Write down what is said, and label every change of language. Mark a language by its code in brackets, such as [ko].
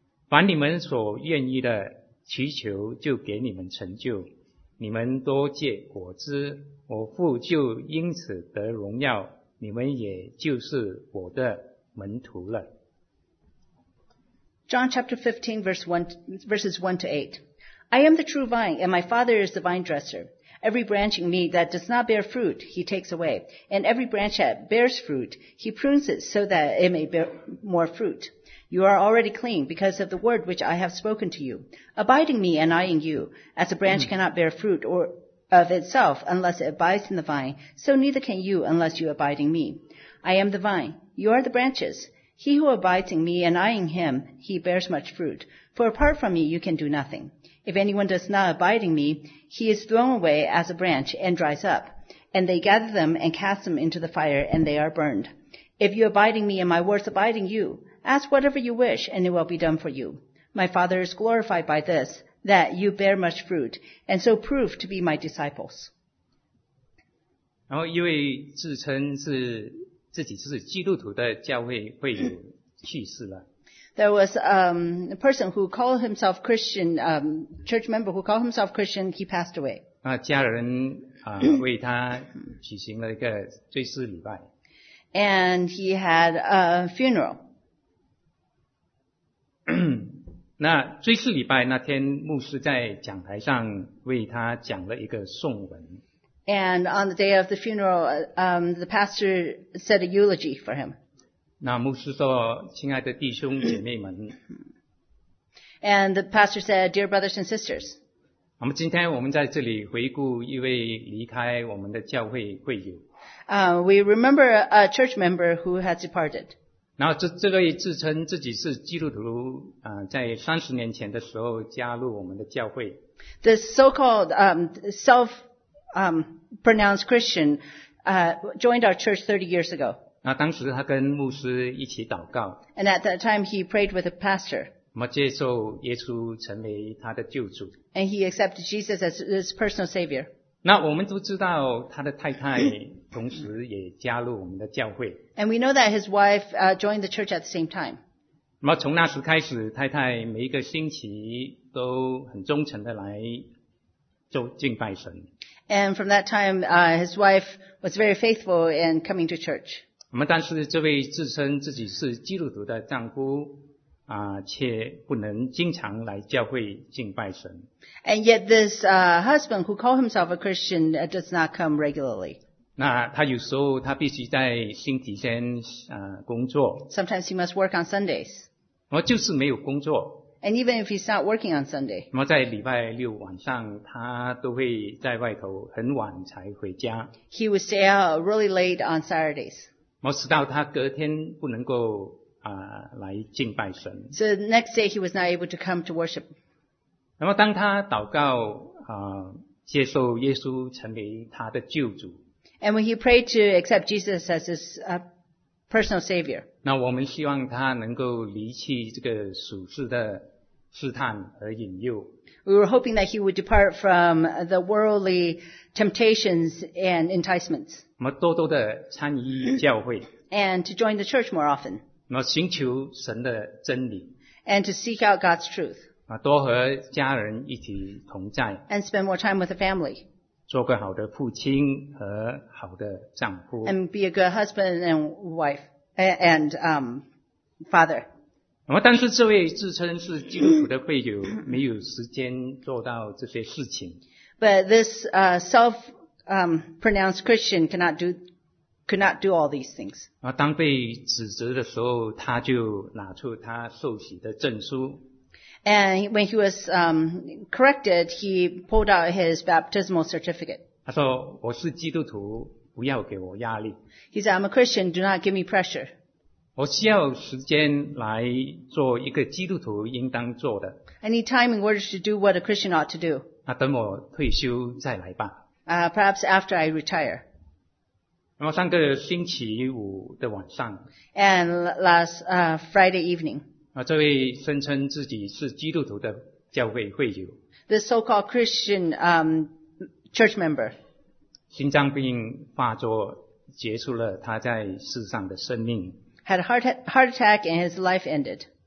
[zh] 凡你们所愿意的祈求，就给你们成就。你们多结果子，我父就因此得荣耀，你们也就是我的门徒了。 [en] John chapter 15 verses 1 to 8. I am the true vine, and my Father is the vine dresser. Every branch in me that does not bear fruit, he takes away. And every branch that bears fruit, he prunes it so that it may bear more fruit. You are already clean because of the word which I have spoken to you. Abide in me and I in you. As a branch cannot bear fruit or of itself unless it abides in the vine, so neither can you unless you abide in me. I am the vine. You are the branches. He who abides in me and I in him, he bears much fruit. For apart from me, you can do nothing. If anyone does not abide in me, he is thrown away as a branch and dries up. And they gather them and cast them into the fire and they are burned. If you abide in me and my words abide in you, ask whatever you wish and it will be done for you. My Father is glorified by this, that you bear much fruit and so prove to be my disciples. [zh] 然后因为自称是自己是基督徒的教会会友去世了。 [en] There was a person who called himself Christian, church member who called himself Christian, he passed away. [zh] 家人为他举行了一个追思礼拜。 [en] And he had a funeral. [zh] 那追思礼拜那天牧师在讲台上为他讲了一个颂文。 [en] And on the day of the funeral, the pastor said a eulogy for him. [zh] 那牧师说，亲爱的弟兄姐妹们。 [en] And the pastor said, dear brothers and sisters. [zh] 我们今天我们在这里回顾一位离开我们的教会会友。 [en] We remember a church member who has departed. [zh] 然后这位自称自己是基督徒，在30年前的时候加入我们的教会。 [en] The so-called self-pronounced Christian, joined our church 30 years ago. [zh] 那当时他跟牧师一起祷告。 [en] And at that time he prayed with a pastor. [zh] 那接受耶稣成为他的救主。 [en] And he accepted Jesus as his personal savior. [zh] 那我们都知道他的太太同时也加入我们的教会。 [en] And we know that his wife, joined the church at the same time. [zh] 那从那时开始太太每一个星期都很忠诚地来就敬拜神。 [en] And from that time, his wife was very faithful in coming to church. [zh] 我们但是这位自称自己是基督徒的丈夫，却不能经常来教会敬拜神。 [en] And yet this, husband who called himself a Christian, does not come regularly. [zh] 那他有时候他必须在星期天，工作。 [en] Sometimes he must work on Sundays. [zh] 我就是没有工作。 [en] And even if he's not working on Sunday. [zh] 那么在礼拜六晚上他都会在外头很晚才回家。 [en] He would stay out really late on Saturdays. [zh] 那直到他隔天不能够来敬拜神。 [en] So the next day he was not able to come to worship. [zh] 那么当他祷告接受耶稣成为他的救主。 [en] And when he prayed to accept Jesus as his personal savior. [zh] 那我们希望他能够离弃这个属世的试探和引诱。 [en] We were hoping that he would depart from the worldly temptations and enticements. [zh] 那么多多的参与教会。 [en] And to join the church more often. [zh] 那么寻求神的真理。 [en] And to seek out God's truth. [zh] 多和家人一起同在 [en] and spend more time with the family. [zh] 做个好的父亲和好的丈夫 [en] and be a good husband and wife and father. [zh] 但是这位自称是基督徒的会友没有时间做到这些事情 [en] But this self-pronounced Christian could not do all these things. [zh] 当被指责的时候他就拿出他受洗的证书 [en] And when he was corrected, he pulled out his baptismal certificate. [zh] 他说我是基督徒，不要给我压力。 [en] He said, I'm a Christian, do not give me pressure. [zh] 我需要时间来做一个基督徒应当做的。 [en] I need time in order to do what a Christian ought to do. [zh] 那等我退休再来吧。 [en] Perhaps after I retire. [zh] 然后上个星期五的晚上。 [en] And last Friday evening. [zh] 这位声称自己是基督徒的教会会友 [en] This so-called Christian church member [zh] 心脏病发作结束了他在世上的生命 [en] Had a heart attack and his life ended